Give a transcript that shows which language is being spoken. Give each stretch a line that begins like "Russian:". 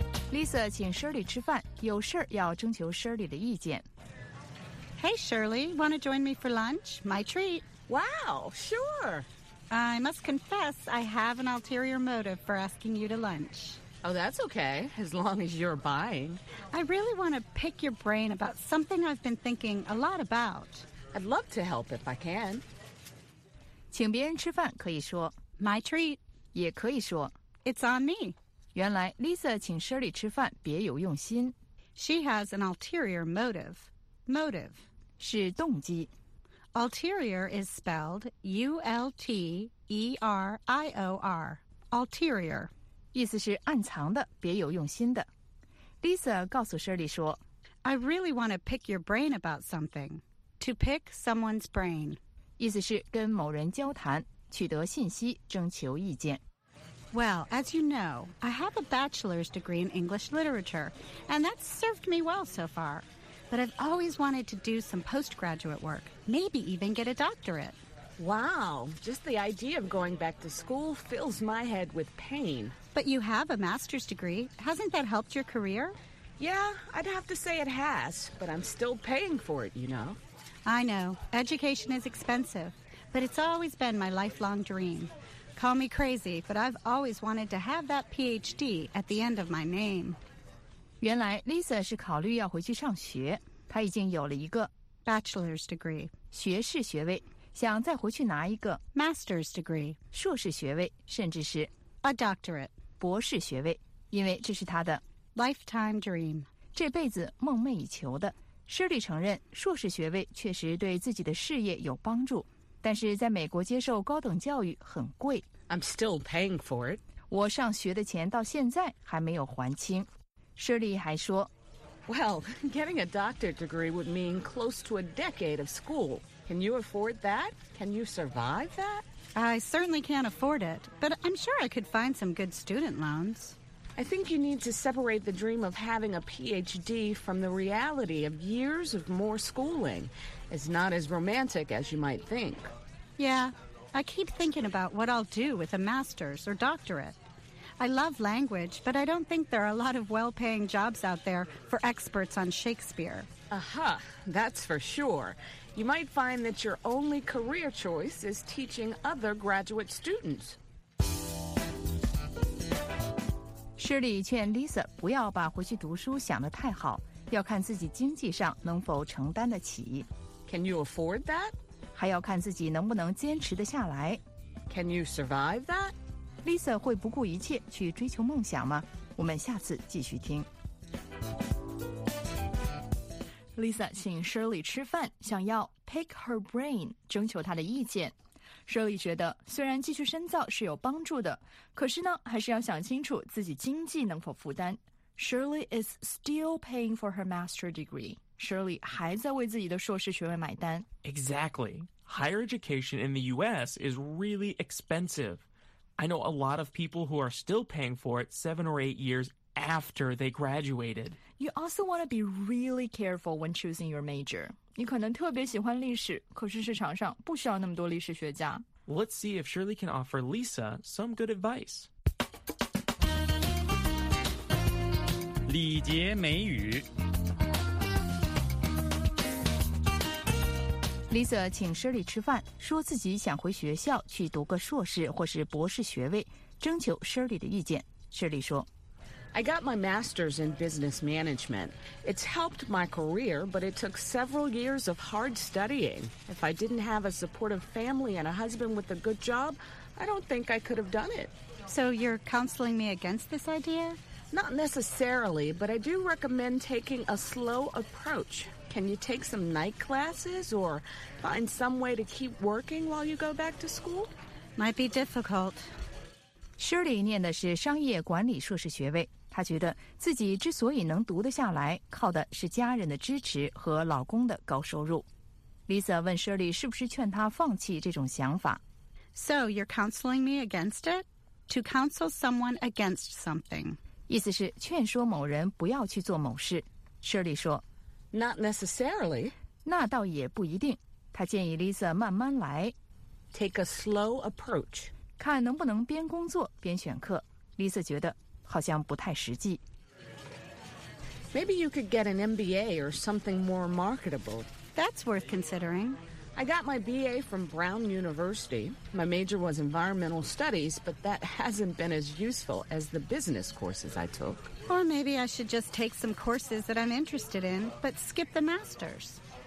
Chinese: Lisa 请 Shirley 吃饭，有事要征求 Shirley 的意见。
English: Hey Shirley, want to join me for lunch? My treat. Wow, sure. I must confess, I have an ulterior motive for asking you to lunch. Oh, that's okay, as long as you're buying. I really want to pick your brain about something I've been thinking a lot about. I'd love to help if I can.
Chinese: 请别人吃饭可以说
English: My treat.
Chinese: 也可以说
English: It's on me.
Chinese: 原来 Lisa 请 Shirley 吃饭别有用心。
English: She has an ulterior motive. Motive
Chinese: 是动机。
English: Ulterior is spelled U-L-T-E-R-I-O-R. Ulterior
Chinese: 意思是暗藏的，别有用心的。 Lisa 告诉 Shirley 说
English: I really want to pick your brain about something. To pick someone's brain
Chinese: 意思是跟某人交谈，取得信息，征求意见。
English: Well, as you know, I have a bachelor's degree in English literature, and that's served me well so far. But I've always wanted to do some postgraduate work, maybe even get a doctorate. Wow, just the idea of going back to school fills my head with pain. But you have a master's degree. Hasn't that helped your career? Yeah, I'd have to say it has, but I'm still paying for it, you know. I know, education is expensive, but it's always been my lifelong dream. Call me crazy, but I've always wanted to have that PhD at the end of my name.
Chinese: 原来 Lisa 是考虑要回去上学，她已经有了一个
English: bachelor's degree
Chinese: 学士学位，想再回去拿一个
English: master's degree
Chinese: 硕士学位，甚至是
English: a doctorate
Chinese: 博士学位，因为这是她的
English: lifetime dream
Chinese: 这辈子梦寐以求的。 Shirley 承认硕士学位确实对自己的事业有帮助。但是在美国接受高等教育很贵。
English: I'm still paying for it.
Chinese: 我上学的钱到现在还没有还清。 Shirley 还说
English: Well, getting a doctorate degree would mean close to a decade of school. Can you afford that? Can you survive that? I certainly can't afford it, but I'm sure I could find some good student loans. I think you need to separate the dream of having a PhD from the reality of years of more schooling. It's not as romantic as you might think. Yeah, I keep thinking about what I'll do with a master's or doctorate. I love language, but I don't think there are a lot of well-paying jobs out there for experts on Shakespeare. Aha, that's for sure. You might find that your only career choice is teaching other graduate students.
Chinese: Shirley 劝 Lisa 不要把回去读书想得太好，要看自己经济上能否承担得起。
English: Can you afford that?
Chinese: 还要看自己能不能坚持得下来。
English: Can you survive that?
Chinese: Lisa 会不顾一切去追求梦想吗？我们下次继续听。 Lisa 请 Shirley 吃饭，想要
English: pick her brain，
Chinese: 征求她的意见。 Shirley 觉得虽然继续深造是有帮助的，可是呢，还是要想清楚自己经济能否负担。
English: Shirley is still paying for her master degree.
Chinese: Shirley 还在为自己的硕士学位买单。
English: Exactly. Higher education in the U.S. is really expensive. I know a lot of people who are still paying for it 7 or 8 years after they graduated. You also want to be really careful when choosing your major.
Chinese: 你可能特别喜欢历史，可是市场上不需要那么多历史学家。
English: Let's see if Shirley can offer Lisa some good advice.
Chinese: 礼节美语。 Lisa 请 Shirley 吃饭，说自己想回学校去读个硕士或是博士学位，征求 Shirley 的意见。 Shirley 说。
English: I got my master's in business management. It's helped my career, but it took several years of hard studying. If I didn't have a supportive family and a husband with a good job, I don't think I could have done it. So you're counseling me against this idea? Not necessarily, but I do recommend taking a slow approach. Can you take some night classes or find some way to keep working while you go back to school? Might be difficult.
Chinese: Shirley 念的是商业管理硕士学位。她觉得自己之所以能读得下来，靠的是家人的支持和老公的高收入。 Lisa 问 Shirley 是不是劝她放弃这种想法。
English: So you're counseling me against it? To counsel someone against something.
Chinese: 意思是劝说某人不要去做某事。 Shirley 说
English: Not necessarily.
Chinese: 那倒也不一定。她建议 Lisa 慢慢来。
English: Take a slow approach.
Chinese: 看能不能边工作边选课。Lisa 觉得好像不太实际。
English: Maybe you could get an MBA or something more marketable. That's worth considering. I got my BA from Brown University. My major was environmental studies, but that hasn't been as useful as the business courses I took. Or maybe I should just take some courses that I'm interested in, but skip the master's.